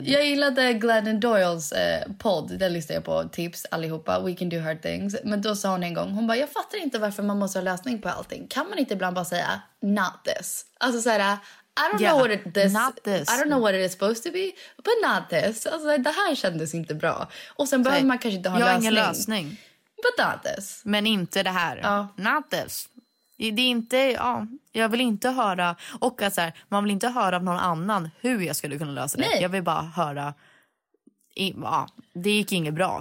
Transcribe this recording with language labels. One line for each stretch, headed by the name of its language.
Swedish: Jag gillade Glennon Doyles podd, där lyssnade jag på tips allihopa, We Can Do Hard Things. Men då sa hon en gång, hon bara, jag fattar inte varför man måste ha lösning på allting. Kan man inte ibland bara säga,
English: not this?
Swedish: Alltså såhär,
English: I don't know what it is supposed to be, but not this.
Swedish: Alltså, det här kändes inte bra. Och sen behöver man kanske inte ha en lösning. Jag har ingen lösning.
English: But not this.
Swedish: Men inte det här.
English: Not this.
Swedish: Det är inte, jag vill inte höra, och att så här, man vill inte höra av någon annan hur jag skulle kunna lösa det. Nej. Jag vill bara höra, det gick inget bra.